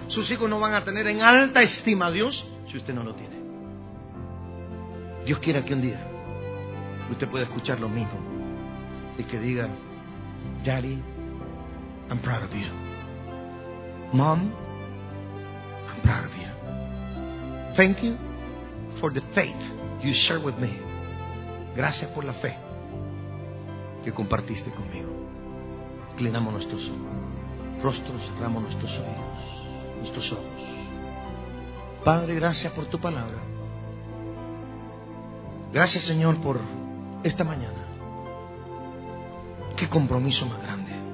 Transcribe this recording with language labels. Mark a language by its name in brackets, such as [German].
[Spanish] Sus hijos no van a tener en alta estima a Dios si usted no lo tiene. Dios quiera que un día usted pueda escuchar lo mismo y que diga, [English] Daddy, I'm proud of you. Mom, I'm proud of you. Thank you for the faith you shared with me. [Spanish] Gracias por la fe que compartiste conmigo. Inclinamos nuestros rostros, cerramos nuestros oídos, nuestros ojos. Padre, gracias por tu palabra. Gracias, Señor, por esta mañana. Qué compromiso más grande.